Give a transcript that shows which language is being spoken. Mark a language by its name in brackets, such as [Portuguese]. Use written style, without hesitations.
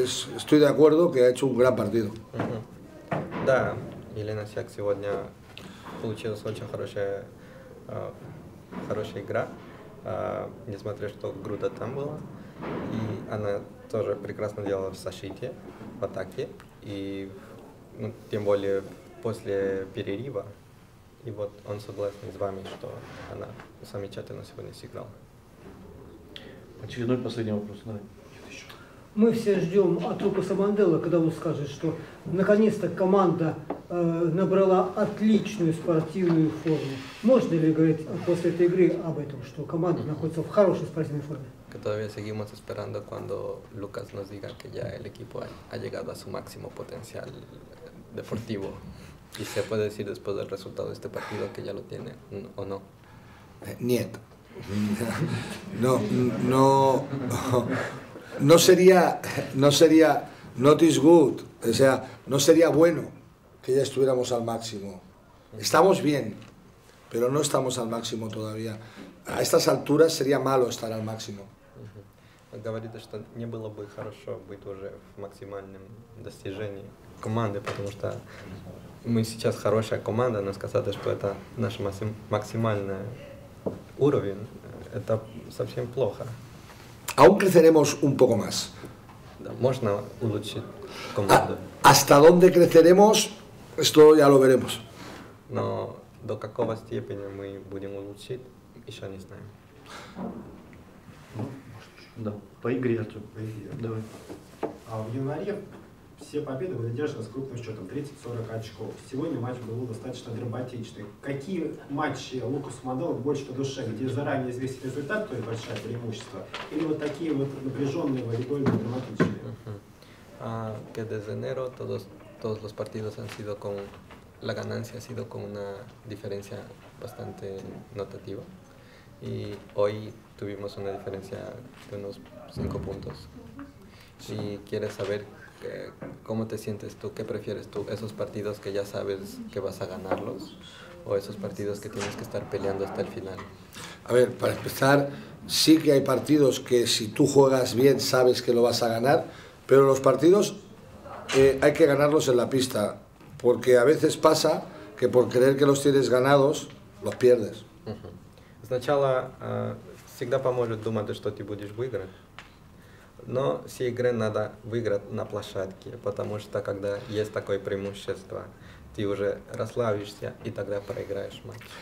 [Spanish] Estoy de acuerdo que ha hecho un gran partido. [Russian] Да, Елена Сиак сегодня получилась очень хорошая игра, несмотря что Груда там была. И она тоже прекрасно делала в защите, в атаке, и ну, тем более после перерыва. И вот он согласен с вами, что она замечательно сегодня сыграла. Очередной последний вопрос. Давай. Мы все ждем от Лукаса Мандела, когда он скажет, что наконец-то команда набрала отличную спортивную форму. Можно ли говорить после этой игры об этом, что команда находится в хорошей спортивной форме? [Spanish] Que todavía seguimos esperando cuando Lucas nos diga que ya el equipo ha llegado a su máximo potencial deportivo. Y se puede decir después del resultado de este partido que ya lo tiene o no. [Russian] Niet. [Spanish] No, no, no, no sería [English] not is good. [Spanish] O sea, no sería bueno que ya estuviéramos al máximo. Estamos bien, pero no estamos al máximo todavía. A estas alturas sería malo estar al máximo. [Russian] Говорит, что не было бы хорошо быть уже в максимальном достижении команды, потому что мы сейчас хорошая команда, но сказать, что это наш максимальный уровень, это совсем плохо. [Spanish] Aún creceremos un poco más. [Russian] Да, можно улучшить команду. [Spanish] Hasta dónde creceremos, esto ya lo veremos. [Russian] Но до какого степени мы будем улучшить, еще не знаем. Да, по игре, Артём, давай. А в январе все победы были одержаны с крупным счетом, 30-40 очков. Сегодня матч был достаточно драматичный. Какие матчи Лукаса Мандела больше по душе, где заранее известен результат, то есть большое преимущество, или вот такие вот напряженные, волейбольные, драматичные? [Spanish] Que desde enero todos los partidos han sido con la ganancia ha sido con una diferencia bastante notativa. Y hoy tuvimos una diferencia de unos 5 puntos. Si quieres saber cómo te sientes tú, qué prefieres tú, esos partidos que ya sabes que vas a ganarlos o esos partidos que tienes que estar peleando hasta el final. A ver, para empezar, sí que hay partidos que si tú juegas bien sabes que lo vas a ganar, pero los partidos hay que ganarlos en la pista, porque a veces pasa que por creer que los tienes ganados, los pierdes. [Russian] Сначала всегда поможет думать, что ты будешь выиграть, но все игры надо выиграть на площадке, потому что когда есть такое преимущество, ты уже расслабишься и тогда проиграешь матч.